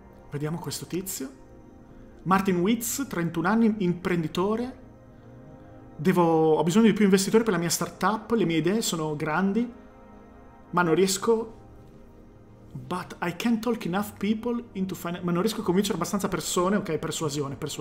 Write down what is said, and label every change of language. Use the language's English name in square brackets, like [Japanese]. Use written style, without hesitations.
[Italian] Vediamo questo tizio. Martin Witz, 31 anni, imprenditore. Ho bisogno di più investitori per la mia startup. Le mie idee sono grandi, ma non riesco. [English] But I can't talk enough people into finance. [Italian] Ma non riesco a convincere abbastanza persone. Ok, persuasione.